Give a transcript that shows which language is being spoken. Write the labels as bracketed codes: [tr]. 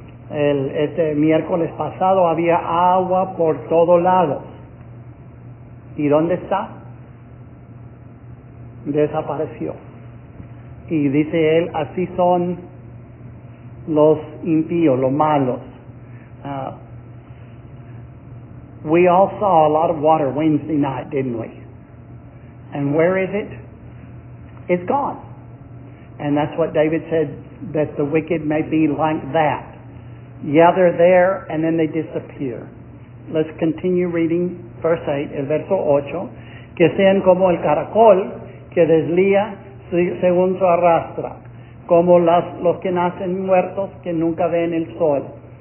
[es] Este miércoles pasado había agua por todos lados. ¿Y dónde está? Desapareció. Y dice él, así son los impíos, los malos. [en] We all saw a lot of water Wednesday night, didn't we? And where is it? It's gone. And that's what David said, that the wicked may be like that. Yeah, they're there, and then they disappear. Let's continue reading. Verse 8, [es] el verso 8, que sean como el caracol que deslía según su arrastra, como los que nacen muertos que nunca ven el sol.